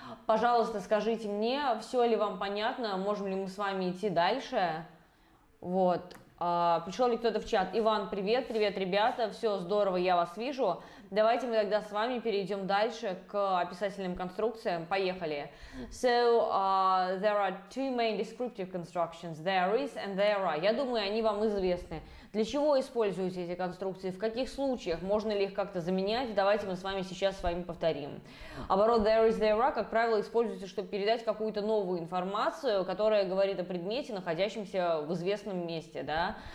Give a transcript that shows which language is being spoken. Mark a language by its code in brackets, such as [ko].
[ru] Пожалуйста, скажите мне, все ли вам понятно, можем ли мы с вами идти дальше, вот. Пришел ли кто-то в чат? Иван, привет, привет, ребята, все здорово, я вас вижу. Давайте мы тогда с вами перейдем дальше к описательным конструкциям. Поехали. [en] So, there are two main descriptive constructions, there is and there are. [ru] Я думаю, они вам известны. Для чего используются эти конструкции, в каких случаях, можно ли их как-то заменять? Давайте мы с вами сейчас с вами повторим. Оборот there is, there are, как правило, используется, чтобы передать какую-то новую информацию, которая говорит о предмете, находящемся в известном месте, да?